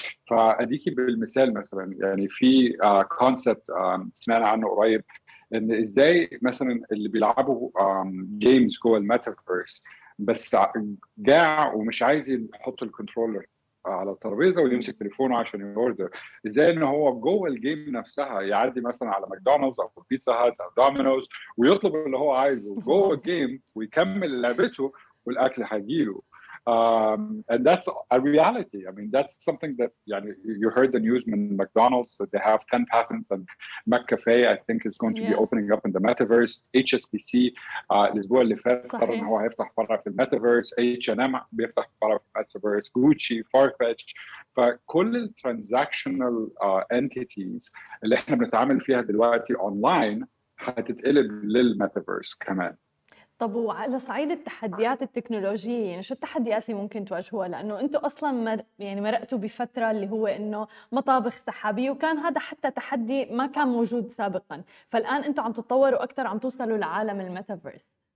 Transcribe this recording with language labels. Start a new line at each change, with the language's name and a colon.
Arabic: فأديكي بالمثال مثلا، يعني في concept سمعنا عنه قريب، إن إزاي مثلا اللي بيلعبوا games جوه الميتافيرس بس جاع ومش عايز يحط الكنترولر على الترابيزه ويمسك تليفونه عشان يوردر، ازاي ان هو جوه الجيم نفسها يعدي مثلا على ماكدونالدز او بيتزا هات او دومينوز ويطلب اللي هو عايزه جوه الجيم ويكمل لعبته والاكل هيجيله.
English: And that's a reality. I mean, that's something that you heard the news from McDonald's that they have 10 patents, and McCafe, I think, is going to be opening up in the metaverse. HSBC, Lisboa Lefebvre, I don't know, I have to have the metaverse. H&M, we have to have the metaverse. Gucci, Farfetch.
Arabic: فكل
English: transactional entities
Arabic: اللي احنا بنتعامل فيها دلوقتي online هتتقلب للmetaverse كمان. طب وعلى صعيد التحديات التكنولوجية، يعني شو التحديات اللي ممكن تواجهوها؟ لأنه أنتوا أصلاً مرقتوا بفترة اللي هو أنه مطابخ سحابية، وكان هذا حتى تحدي ما كان موجود سابقاً، فالآن أنتوا عم تتطوروا أكثر، عم توصلوا لعالم الميتافيرس.